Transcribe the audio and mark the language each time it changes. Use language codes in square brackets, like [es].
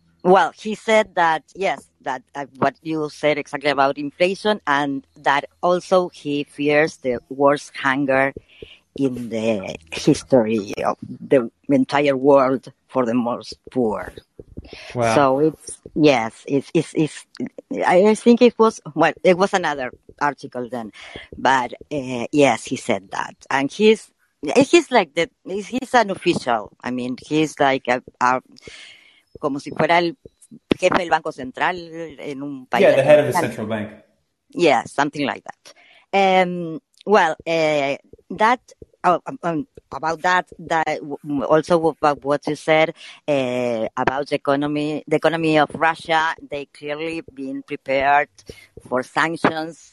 [en] Well, he said that, yes, that what you said exactly about inflation, and that also he fears the worst hunger in the history of the entire world for the most poor. Wow. So it's, yes, it's, I think it was, well, it was another article then, but yes, he said that. And he's like he's an official. I mean, he's like a [es] como si fuera el jefe del Banco Central en un país. [en] Yeah, the head of a central bank. Yeah, something like that. Well, that about that also about what you said about the economy of Russia, they clearly been prepared for sanctions.